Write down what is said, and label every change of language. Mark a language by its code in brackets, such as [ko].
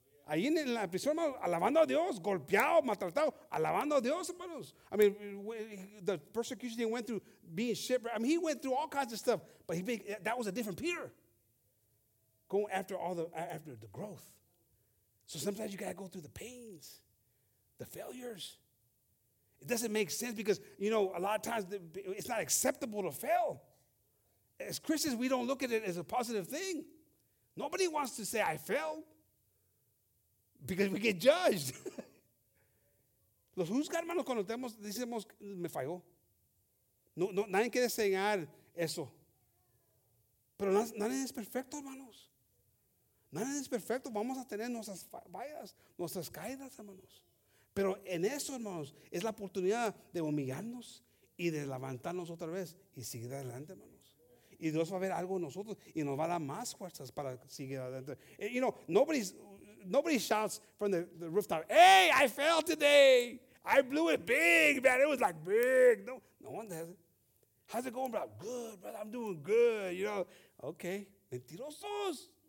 [es] Ahí en la prisión, alabando a Dios, golpeado, maltratado, alabando a Dios, hermanos. [en] I mean, the persecution he went through, being shipwrecked. I mean, he went through all kinds of stuff, but that was a different Peter. Going after the growth. So sometimes you got to go through the pains, the failures. It doesn't make sense because, you know, a lot of times it's not acceptable to fail. As Christians, we don't look at it as a positive thing. Nobody wants to say, I failed, because we get judged. [es] Los juzga, hermanos, cuando tenemos, decimos, me falló. No, no, nadie quiere enseñar eso. Pero nadie es perfecto, hermanos. Nadie es perfecto. Vamos a tener nuestras fallas, nuestras caídas, hermanos. Pero en eso, hermanos, es la oportunidad de humillarnos y de levantarnos otra vez y seguir adelante, hermanos. Y Dios va a ver algo en nosotros y nos va a dar más fuerzas para seguir adelante. [en] And, you know, nobody shouts from the rooftop, hey, I failed today. I blew it big, man. It was like big. No one does it. How's it going, bro? Good, brother. I'm doing good. You know, okay. Mentirosos.